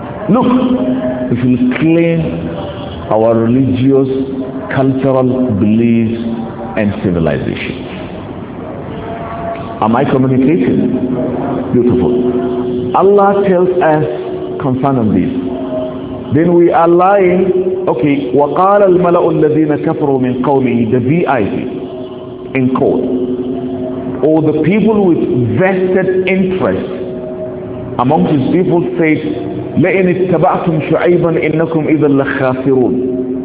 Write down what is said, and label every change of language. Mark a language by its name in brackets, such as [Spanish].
[English] Look, if we claim our religious, cultural beliefs and civilization. Am I communicating? Beautiful. Allah tells us concerning this. Then we are lying. [Arabic] Okay, وقال الملأ الذين كفروا من قومه, [English] the VIP in court. Or the people with vested interest amongst his people say, [Arabic] لئن اتبعتم شعيبا انكم اذا لخاسرون.